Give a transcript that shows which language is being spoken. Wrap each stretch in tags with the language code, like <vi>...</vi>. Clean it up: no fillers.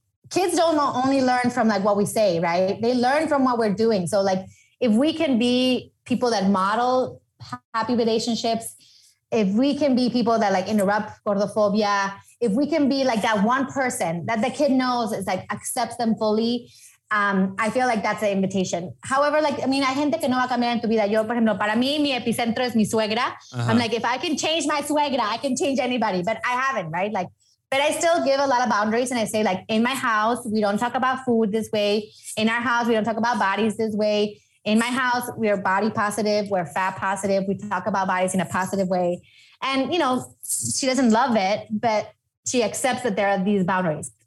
<en>Kids don't only learn from like what we say, right? They learn from what we're doing. So like, if we can be people that model happy relationships, if we can be people that like interrupt gordophobia, if we can be like that one person that the kid knows is like accepts them fully, I feel like that's the invitation. However, like, I mean,</en> <es>hay gente que no va a cambiar en tu vida. Yo, por ejemplo, para mí, mi epicentro es mi suegra.</es> <en>Uh-huh. I'm like, if I can change my suegra, I can change anybody, but I haven't, right? Like, but I still give a lot of boundaries and I say like, in my house, we don't talk about food this way. In our house, we don't talk about bodies this way. In my house, we are body positive. We're fat positive. We talk about bodies in a positive way. And, you know, she doesn't love it, but she accepts that there are these boundaries.</en>